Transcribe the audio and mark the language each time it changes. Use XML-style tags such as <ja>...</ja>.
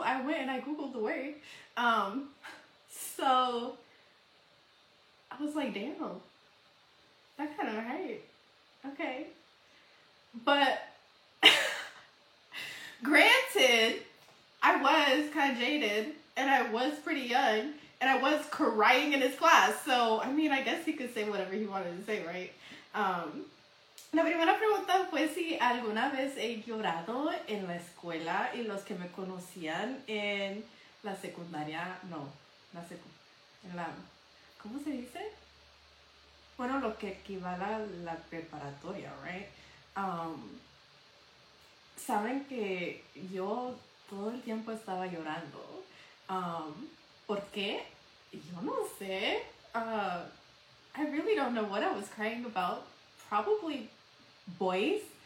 <en>I went and I Googled the word. So I was like, damn, that kind of hurt. Okay. But granted, I was kind of jaded and I was pretty young and I was crying in his class. So, I mean, I guess he could say whatever he wanted to say, right?</en> <es>La primera pregunta fue si alguna vez he llorado en la escuela y los que me conocían en la secundaria, no, la secundaria, ¿cómo se dice? Bueno, lo que equivale a la preparatoria, right? Saben que yo todo el tiempo estaba llorando. ¿Por qué? Yo no sé.</es> <en>I really don't know what I was crying about. Probably boys.</en>